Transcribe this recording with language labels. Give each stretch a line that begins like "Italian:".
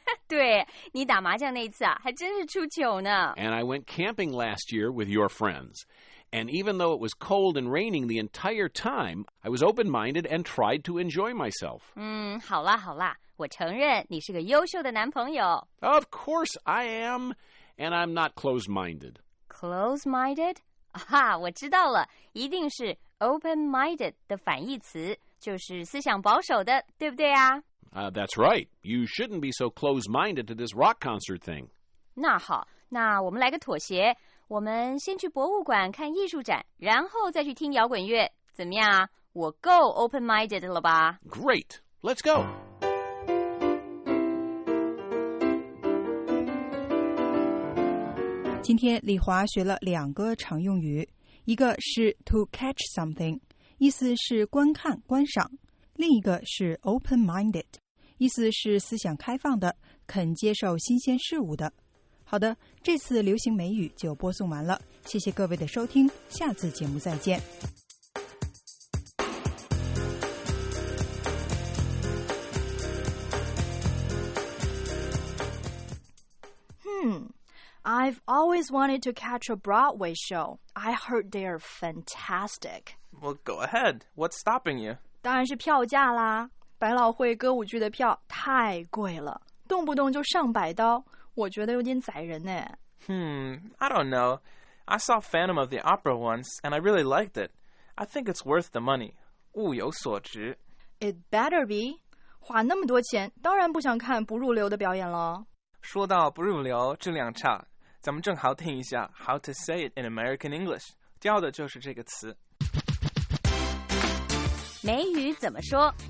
Chinese: 对,你打麻将那次啊,还真是出糗呢。
English: And I went camping last year with your friends. And even though it was cold and raining the entire time, I was open-minded and tried to enjoy myself.
Chinese: 好啦好啦，我承认你是个优秀的男朋友。
English: Of course I am, and I'm not closed-minded.
Chinese: Closed-minded? 啊，我知道了，一定是 open-minded 的反义词，就是思想保守的，对不对啊？
English: That's right. You shouldn't be so closed-minded to this rock concert thing.
Chinese: 那好，那我们来个妥协。我们先去博物馆看艺术展，然后再去听摇滚乐，怎么样啊？我够 open-minded 了吧
English: ？Great, let's go.
Chinese: Today, Li Hua 学了两个常用语，一个是
English: to catch something，
Chinese: 意思是观看、观赏；另一个是 open-minded， 意思是思想开放的，肯接受新鲜事物的。好的，这次流行美语就播送完了，谢谢各位的收听，下次节目再见。
English: I've always wanted to catch a Broadway show. I heard they are fantastic. Well, go ahead. What's stopping you?
Chinese: 当然是票价啦，百老汇歌舞剧的票太贵了，动不动就上百刀。我觉得有点宰人呢。
English: I don't know. I saw Phantom of the Opera once, and I really liked it. I think it's worth the money.
Chinese: 物有所值。
English: It better be.
Chinese: 花那么多钱，当然不想看不入流的表演了。说到不入流，质量差，咱们正好听一下 How to say it in American English. 教的就是这个词。美语怎么说